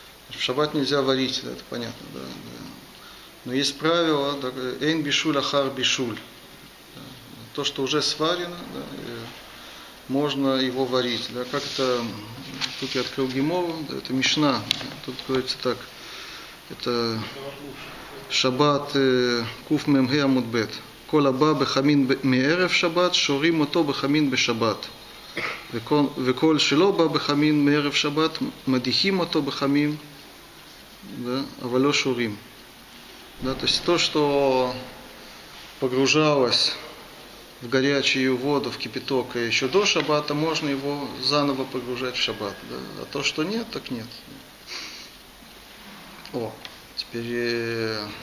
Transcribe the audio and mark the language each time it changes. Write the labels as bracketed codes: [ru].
[ru] В Шаббат нельзя варить, да, это понятно. Да, да. Но есть правило, да, [he] «Эйн бишуль ахар бишуль». [ru] Да. То, что уже сварено, да, можно его варить. Да. Как это, тут я открыл Гемору, да, это Мишна, да, тут говорится так, это Шаббат Куф Мем Хе Амуд Бет. [he] כל הבא בחמין מערב שבת, שורים אותו בחמין בשבת. וכל שלא בא בחמין מערב שבת, מדיחים אותו בחמין, אבל לא שורים. [ru] То есть то, что погружалось в горячую воду, в кипяток, еще до шаббата, можно его заново погружать в шаббат. А то, что нет, так нет. О, теперь...